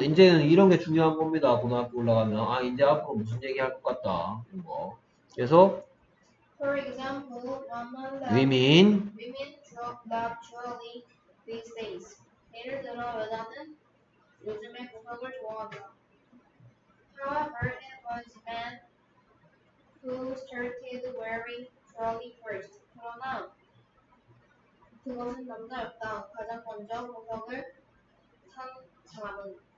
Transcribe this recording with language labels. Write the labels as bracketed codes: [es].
[ko] 이제는 이런 게 중요한 겁니다. 고등학교 올라가면 아 이제 앞으로 무슨 얘기할 것 같다. 이런 거. 그래서 [en] For example, women women drop love jewelry these days. [ko] 예를 들어 여자는 요즘에 보석을 좋아한다. [en] However, it was men who started wearing jewelry first. [ko] 그러나 그것은 남자였다. 가장 먼저 보석을 산 사람은